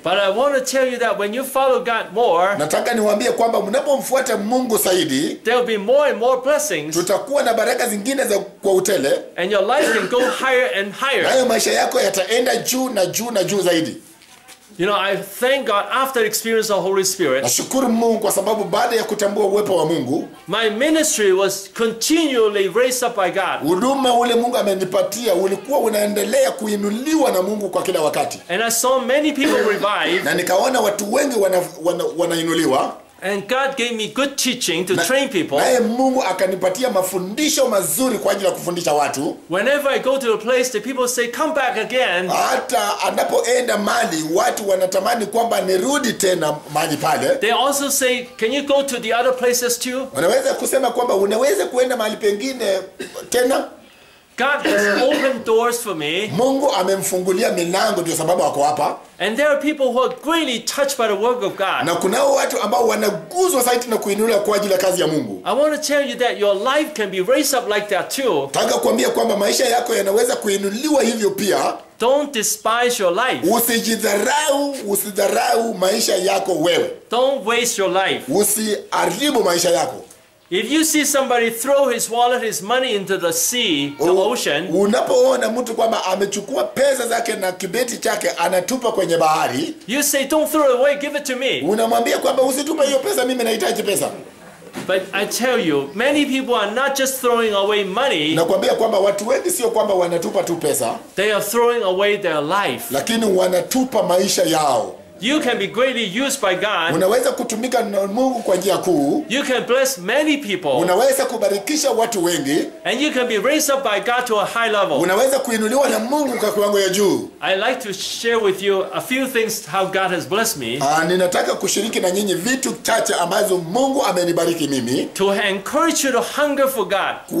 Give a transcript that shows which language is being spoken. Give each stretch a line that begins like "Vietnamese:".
English: But I want to tell you that when you follow God more,
Swahili: nataka niwaambie kwamba mnapomfuata Mungu zaidi,
English: there will be more and more blessings.
Swahili: Tutakuwa na baraka zingine za kwa utele.
English: And your life can go higher and higher.
Swahili: Na maisha yako yataenda juu na juu na juu zaidi.
English: You know, I thank God after experience of the Holy Spirit.
Swahili: Nashukuru Mungu kwa sababu baada ya kutambua uwepo wa Mungu.
English: My ministry was continually raised up by God.
Swahili: Huduma ule Mungu amenipatia ulikuwa unaendelea kuinuliwa na Mungu kwa kila wakati.
English: And I saw many people revived.
Swahili: Na nikaona watu wengi wanainuliwa.
English: And God gave me good teaching to train people.
Swahili: Naye Mungu akanipatia mafundisho mazuri kwa ajili ya kufundisha watu.
English: Whenever I go to a place, the people say, "Come back again."
Swahili: Hata anapoenda mali, watu wanatamani kwamba nirudi tena mali pale.
English: They also say, "Can you go to the other places too?"
Swahili: Unaweza kusema kwamba unaweza kuenda mali pengine tena?
English: God has opened doors for me.
Swahili: Mungu amemfungulia milango ndio sababu wako hapa.
English: And there are people who are greatly touched by the work of God.
Swahili: Na kuna watu ambao wanaguzwa sana na kuinuliwa kwa ajili ya kazi ya Mungu.
English: I want to tell you that your life can be raised up like that too.
Swahili: Nataka kuambia kwamba maisha yako yanaweza kuinuliwa hivyo pia.
English: Don't despise your life.
Swahili: Usijidharau maisha yako wewe.
English: Don't waste your life.
Swahili: Usiharibu maisha yako.
English: If you see somebody throw his wallet, his money into the sea, the ocean,
Swahili: unapoona mtu kwamba amechukua pesa zake na kibeti chake anatupa kwenye bahari,
English: you say, "Don't throw it away, give it to me."
Swahili: Unamwambia kwamba usitupe hiyo pesa, mimi nahitaji pesa.
English: But I tell you, many people are not just throwing away money.
Swahili: Nakwambia kwamba watu wengi sio kwamba wanatupa tu pesa.
English: They are throwing away their life.
Swahili: Lakini wanatupa maisha yao.
English: You can be greatly used by God.
Swahili: Unaweza kutumika na Mungu kwa njia kuu.
English: You can bless many people.
Swahili: Unaweza kubarikisha watu wengi.
English: And you can be raised up by God to a high level.
Swahili: Unaweza kuinuliwa na Mungu kwa kiwango cha juu.
English: I like to share with you a few things how God has blessed me.
Swahili: Ninataka kushiriki na nyinyi vitu chache ambazo Mungu amenibariki mimi.
English: To encourage you to hunger for God.